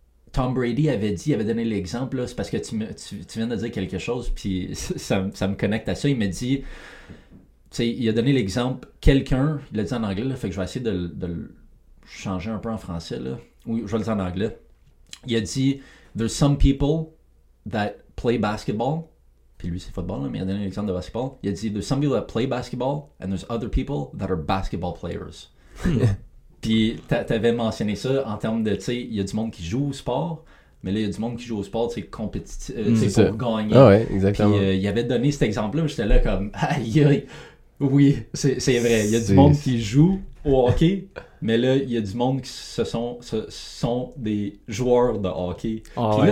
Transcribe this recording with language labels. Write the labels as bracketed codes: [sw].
[fr] Tom Brady avait dit, il avait donné l'exemple, là, c'est parce que tu viens de dire quelque chose, puis ça me connecte à ça. Il m'a dit, tu sais, il a donné l'exemple, quelqu'un, il l'a dit en anglais, là, fait que je vais essayer de le changer un peu en français, là. Oui, je vais le dire en anglais. Il a dit, [en] there's some people that play basketball. [fr] Puis lui, c'est football, mais il a donné un exemple de basketball. Il a dit, [en] there's some people that play basketball, and there's other people that are basketball players. [fr] Puis, t'avais mentionné ça en termes de, tu sais, il y a du monde qui joue au sport, mais là, il y a du monde qui joue au sport, c'est compétitif, c'est pour gagner. Ah ouais, exactement. Puis, il avait donné cet exemple-là, j'étais là comme, aïe, oui, c'est vrai, il y a du monde qui joue au hockey, mais là, il y a du monde qui ce sont des joueurs de hockey. Ah, puis ouais.